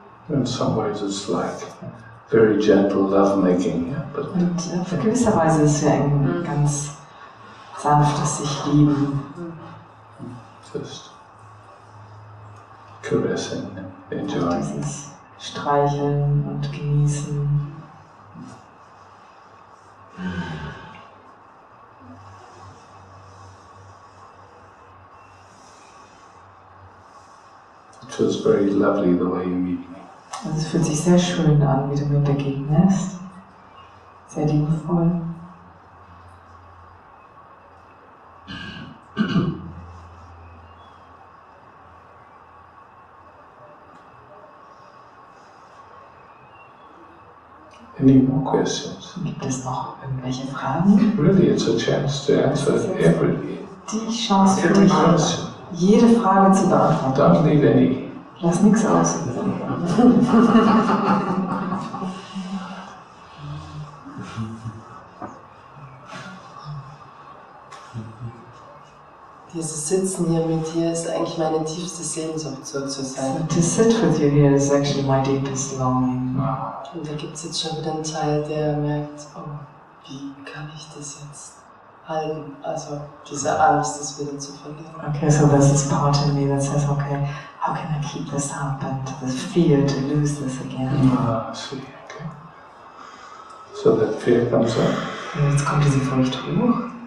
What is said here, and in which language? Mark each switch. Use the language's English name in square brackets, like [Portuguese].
[English] In some ways it's like very gentle lovemaking, yeah, but [German] und auf gewisse Weise ist ja ein ganz sanftes sich lieben. [English] Just caressing, enjoying. [German] Dieses streicheln und genießen. [English] It feels very lovely the way you meet me. [German] Also, es fühlt sich sehr schön an, wie du mir begegnest. Sehr liebevoll. [English] Any more questions? [German] Gibt es noch irgendwelche Fragen? [English] Really, it's a chance to answer everything. [German] Die Chance für dich, jede Frage zu beantworten. [English] Don't leave any. [German] Lass nichts aus. Dieses Sitzen hier mit dir ist eigentlich meine tiefste Sehnsucht, so zu sein. [English] So to sit with you here is actually my deepest longing. Wow. [German] Und da gibt es jetzt schon wieder einen Teil, der merkt, oh, wie kann ich das jetzt halten? Also diese Angst, das wieder zu verlieren. [English] Okay, so this is part of me that says, okay, how can I keep this up and the fear to lose this again? Ah, see, okay. So that fear comes up. [German] Und jetzt kommt diese Furcht hoch.